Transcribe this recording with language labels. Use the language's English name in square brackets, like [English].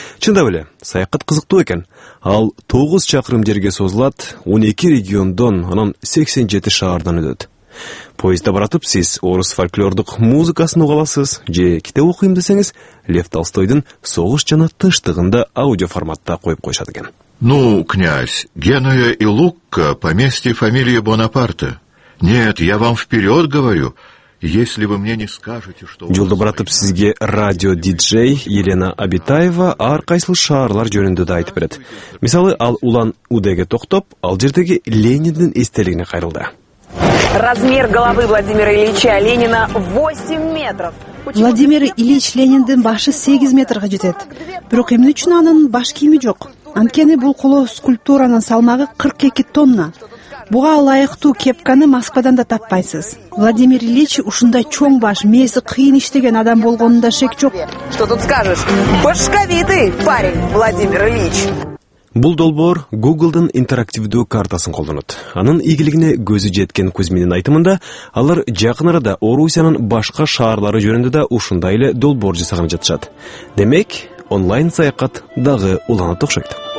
[Kyrgyz] Чындап эле, саякат кызыктуу экен. Ал 9 чакырым жерге созулат, 12 региондон, анан 87 шаардан өтөт. Поездда баратып, сиз орус фольклордук музыкасын уга аласыз, же китеп окуйм десеңиз, Лев Толстойдун Согуш жана тынчтыгын да аудиоформатта коюп коюшат экен. [Russian] Ну, князь, Генуя и Лукка поместье фамилии Бонапарта. Нет, я вам вперед говорю, если вы мне не скажете, что... [Kyrgyz] Жолду баратып сизге радио диджей Елена Абитаева ар кайсыл шаарлар жөнүндө да айтып берет. Мисалы, ал Улан-Удэге токтоп, ал жердеги Лениндин эстелигине кайрылды. [Russian] Размер головы Владимира Ильича Ленина 8 метров. [Kyrgyz] Владимир Ильич Лениндин башы 8 метрга жетет. Бирок эмне үчүн анын баш кийими жок? Анткени бул коло скульптуранын салмагы 42 тонна. Буга ылайыктуу кепканы Москвадан да таппайсыз. Владимир Ильич ушундай чоң баш, мээси кыйын иштеген адам болгонунда шек жок. [Russian] Что тут скажешь? Башковитый парень Владимир Ильич. [Kyrgyz] Бул долбоор Google'дын интерактивдүү картасын колдонот. Анын ийгилигине көзү жеткен көз менен айтымында, алар жакын арада Орусиянын башка шаарлары жөнүндө да ушундай эле долбоор жасаган жатышат. Демек, онлайн саякат дагы уланат окшойт.